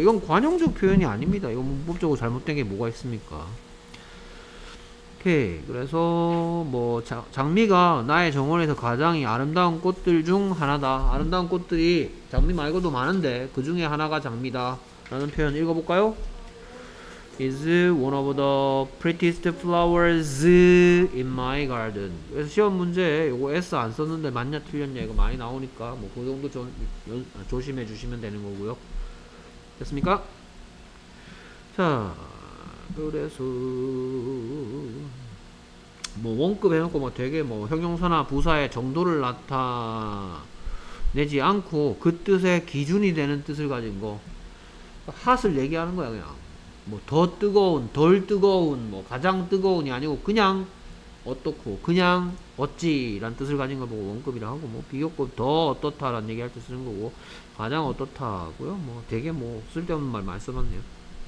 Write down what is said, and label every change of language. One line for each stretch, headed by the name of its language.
Korean: 이건 관용적 표현이 아닙니다. 이건 문법적으로 잘못된 게 뭐가 있습니까? 오케이. 그래서 뭐 장미가 나의 정원에서 가장 아름다운 꽃들 중 하나다. 아름다운 꽃들이 장미 말고도 많은데 그 중에 하나가 장미다 라는 표현 읽어볼까요?
English: Is one of the prettiest flowers in my garden.
Korean: 그래서 시험 문제에 이거 S 안 썼는데 맞냐 틀렸냐 이거 많이 나오니까 뭐 그 정도 조심해 주시면 되는 거고요. 됐습니까? 자 그래서 뭐 원급 해놓고 뭐 되게 뭐 형용사나 부사의 정도를 나타내지 않고 그 뜻의 기준이 되는 뜻을 가진 거 핫을 얘기하는 거야 그냥 뭐 더 뜨거운 덜 뜨거운 뭐 가장 뜨거운이 아니고 그냥 어떻고 그냥 어찌 라는 뜻을 가진 걸 보고 원급이라 하고 뭐 비교급 더 어떻다 라는 얘기할 때 쓰는 거고 가장 어떻다 고요 뭐 되게 뭐 쓸데없는 말 많이 써놨네요.